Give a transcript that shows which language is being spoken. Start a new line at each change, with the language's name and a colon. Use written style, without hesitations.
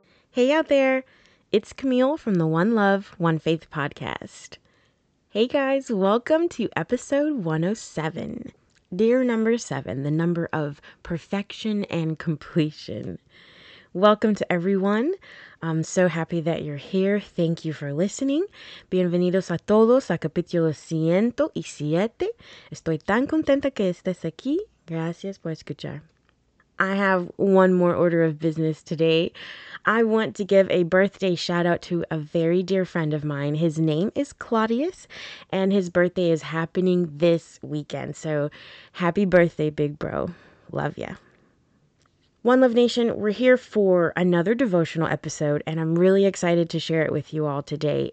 English: Hey out there, it's Camille from the One Love, One Faith podcast. Hey guys, welcome to episode 107. Dear number 7, the number of perfection and completion. Welcome to everyone. I'm so happy that you're here. Thank you for listening.
Spanish: Bienvenidos a todos a capítulo 107. Estoy tan contenta que estés aquí. Gracias por escuchar.
English: I have one more order of business today. I want to give a birthday shout out to a very dear friend of mine. His name is Claudius, and his birthday is happening this weekend. So happy birthday, big bro. Love ya. One Love Nation, we're here for another devotional episode, and I'm really excited to share it with you all today.